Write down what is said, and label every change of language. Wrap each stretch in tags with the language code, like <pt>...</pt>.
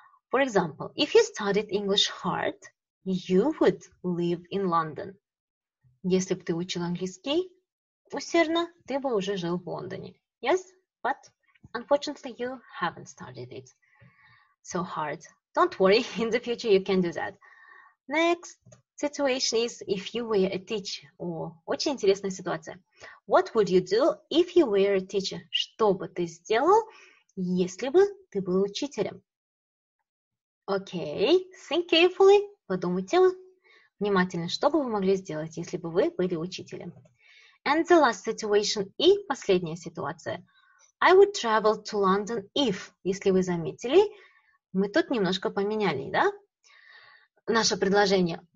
<en>For example, if you studied English hard, you would live in London.</en> <ru>Если бы ты учил английский усердно, ты бы уже жил в Лондоне.</ru> <en>Yes, but unfortunately you haven't studied it so hard. Don't worry, in the future you can do that. Next situation is if you were a teacher.</en> <ru>Очень интересная ситуация.</ru> <en>What would you do if you were a teacher?</en> <ru>Что бы ты сделал, если бы ты был учителем?</ru> <en>Okay, think carefully.</en> <ru>Подумайте внимательно, что бы вы могли сделать, если бы вы были учителем.</ru> <en>And the last situation,</en> <ru>и последняя ситуация.</ru> <en>I would travel to London if,</en> <ru>если вы заметили, мы тут немножко поменяли, да? Наше предложение.</ru>